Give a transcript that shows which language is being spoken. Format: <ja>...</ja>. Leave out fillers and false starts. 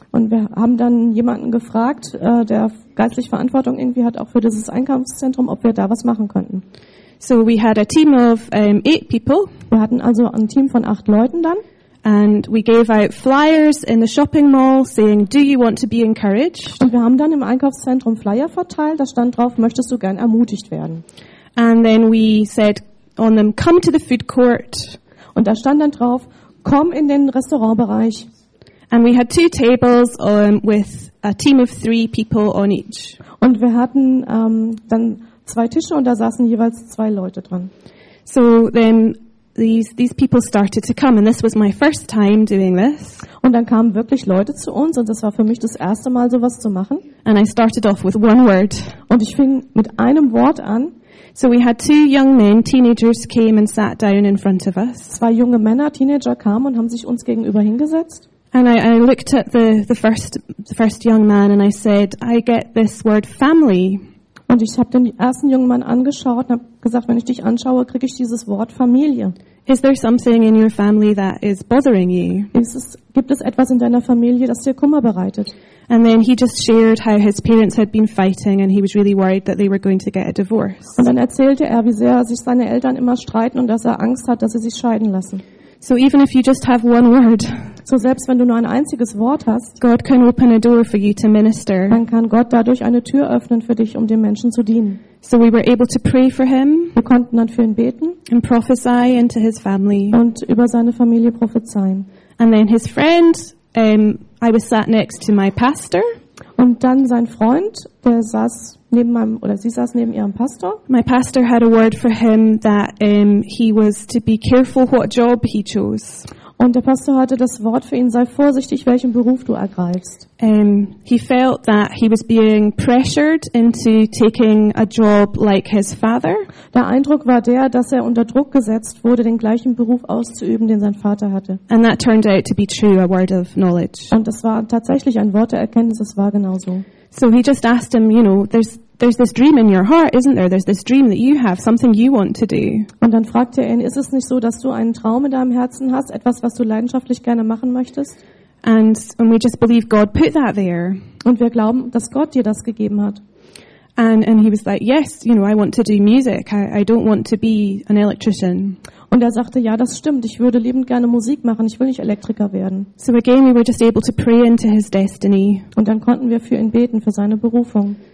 <de>Und wir haben dann jemanden gefragt, der geistlich Verantwortung irgendwie hat, auch für dieses Einkaufszentrum, ob wir da was machen könnten.</de> <en>So we had a team of 8 people.</en> <de>Wir hatten also ein Team von 8 Leuten dann.</de> <en>And we gave out flyers in the shopping mall saying, do you want to be encouraged?</en> <de>Und wir haben dann im Einkaufszentrum Flyer verteilt, da stand drauf, möchtest du gern ermutigt werden?</de> <en>And then we said, on them, come to the food court.</en> <de>Und da stand dann drauf, komm in den Restaurantbereich.</de> <en>And we had 2 tables with a team of 3 people on each.</en> <de>Und wir hatten dann 2 Tische und da saßen jeweils 2 Leute dran.</de> <en>So then these people started to come, and this was my first time doing this.</en> <de>Und dann kamen wirklich Leute zu uns und das war für mich das erste Mal sowas zu machen.</de> <en>And I started off with one word.</en> <de>Und ich fing mit einem Wort an.</de> <en>So we had 2 young men, teenagers, came and sat down in front of us.</en> <de>2 junge Männer, Teenager, kamen und haben sich uns gegenüber hingesetzt.</de> <en>And I looked at the first young man and I said, I get this word family.</en> <de>Und ich habe den ersten jungen Mann angeschaut und habe gesagt, wenn ich dich anschaue, kriege ich dieses Wort Familie.</de> <en>Is there something in your family that is bothering you?</en> <de>Gibt es etwas in deiner Familie, das dir Kummer bereitet?</de> <en>And then he just shared how his parents had been fighting and he was really worried that they were going to get a divorce.</en> <de>Und dann erzählte er, wie sehr sich seine Eltern immer streiten und dass er Angst hat, dass sie sich scheiden lassen.</de> <en>So even if you just have one word,</en> <de>so selbst wenn du nur ein einziges Wort hast,</de> <en>God can open a door for you to minister.</en> <de>Dann kann Gott dadurch eine Tür öffnen für dich, um den Menschen zu dienen.</de> <en>So we were able to pray for him.</en> <de>Wir konnten dann für ihn beten.</de> <en>And prophesy into his family.</en> <de>Und über seine Familie prophezeien.</de> <en>And then his friend, I was sat next to my pastor.</en> <de>Und dann sein Freund, der saß neben meinem, oder sie saß neben ihrem Pastor.</de> <en>My pastor had a word for him that he was to be careful what job he chose.</en> <de>Und der Pastor hatte das Wort für ihn, sei vorsichtig, welchen Beruf du ergreifst.</de> <en>He felt that he was being pressured into taking a job like his father.</en> <de>Der Eindruck war der, dass er unter Druck gesetzt wurde, den gleichen Beruf auszuüben, den sein Vater hatte.</de> <en>And that turned out to be true, a word of knowledge.</en> <de>Und das war tatsächlich ein Wort der Erkenntnis, es war genauso.</de> <en>So he just asked him, you know, there's this dream in your heart, isn't there? There's this dream that you have, something you want to do.</en> <de>Und dann fragte er ihn, ist es nicht so, dass du einen Traum in deinem Herzen hast, etwas, was du leidenschaftlich gerne machen möchtest?</de> <en>And we just believe God put that there.</en> <de>Und wir glauben, dass Gott dir das gegeben hat.</de> <en>And he was like, yes, you know, I want to do music. I don't want to be an electrician.</en> <de>Und er sagte, ja, das stimmt. Ich würde liebend gerne Musik machen. Ich will nicht Elektriker werden.</de> <en>So again, we were just able to pray into his destiny.</en> <de>Und dann konnten wir für ihn beten, für seine Berufung.</de>